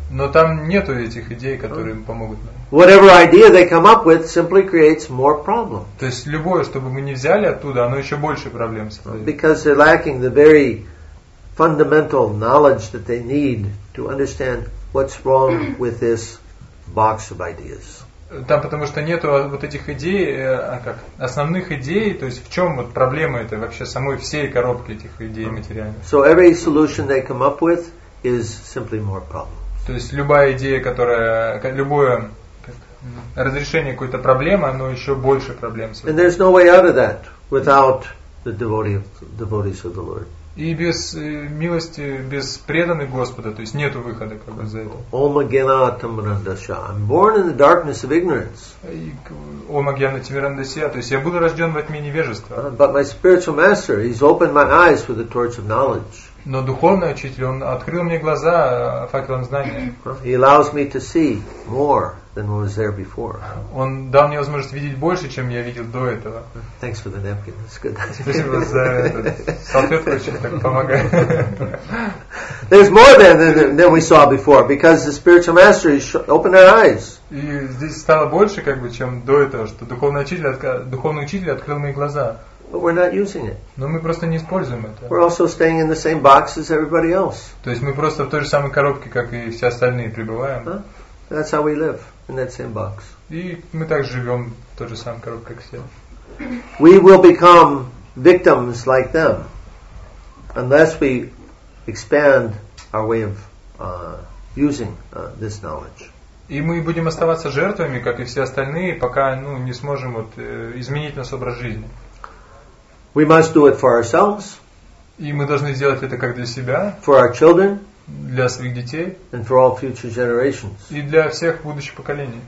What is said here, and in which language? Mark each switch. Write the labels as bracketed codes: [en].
[ru] Но там нету этих идей, которые помогут нам. [en] Whatever idea they come up with simply creates more problems. [ru] То есть любое, что бы мы не взяли оттуда, оно еще больше проблем создает. [en] Because they're lacking the very fundamental knowledge that they need to understand what's wrong with this box of ideas. [ru] Там потому что нету вот этих идей, основных идей, то есть в чем вот проблема этой вообще самой всей коробки этих идей материальных. [en] So every solution they come up with is simply more problems. [ru] То есть любая идея, которая любое как, разрешение какой-то проблемы, оно еще больше проблем создает. [en] And there's no way out of that without the devotees of the Lord. [ru] И без милости, без преданных Господа, то есть нету выхода как бы за это. [sa] Омагьянатам рандаша. [en] I'm born in the darkness of ignorance. [sa] Омагьянатам рандаша. [ru] То есть я был рожден во тьме невежества. [en] But my spiritual master, he's opened my eyes with the torch of knowledge. [ru] Но духовный учитель, он открыл мне глаза факелом знания. [en] He allows me to see more than what was there before. [ru] Он дал мне возможность видеть больше, чем я видел до этого. [en] Thanks for the napkin. That's good. [ru] Спасибо за это. Салфетка очень так помогает. [en] There's more than we saw before, because the spiritual master opened our eyes. [ru] И здесь стало больше, как бы, чем до этого, что духовный учитель открыл мои глаза. [en] But we're not using it. [ru] Но мы просто не используем это. [en] We're also staying in the same box as everybody else. [ru] То есть мы просто в той же самой коробке, как и все остальные, пребываем. [en] That's how we live in that same box. [ru] И мы также живем в той же самой коробке, как все. [en] We will become victims like them unless we expand our way of using this knowledge. [ru] И мы будем оставаться жертвами, как и все остальные, пока не сможем изменить наш образ жизни. [en] We must do it for ourselves. [ru] И мы должны сделать это как для себя. [en] For our children. [ru] Для своих детей. [en] And for all future generations. [ru] И для всех будущих поколений.